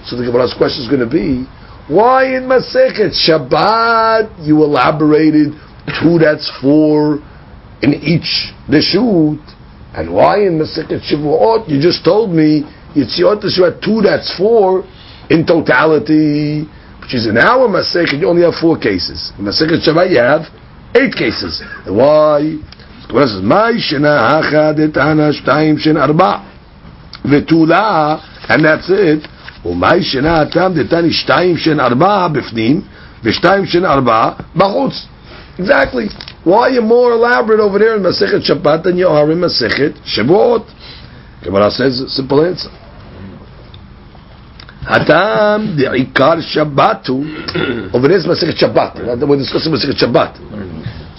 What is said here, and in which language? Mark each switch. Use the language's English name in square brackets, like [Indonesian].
[English] So the Gemara's question is going to be, why in Masechet Shabbat you elaborated two that's four in each the shoot, and why in Masechet Shavuot you just told me Yitziot Shavuot two that's four in totality, which is an hour Masechet, you only have four cases. In Masechet Shavuot you have eight cases. And why? Gemara says [Hebrew] my shena hachad etana shtayim shen arba v'tula, [English] and that's it. [Hebrew] ומאי שנה אתם דתני שתיים שן ארבע בפנים ושתיים שן ארבע בחוץ. [English] Exactly. Why are you more elaborate over there in Masechet Shabbat than you are in Masechet Shavuot? Gemara says a simple answer. [Hebrew] Hatam de ikar Shabbatu. [English] Over there is Masechet Shabbat. We're discussing Masechet Shabbat.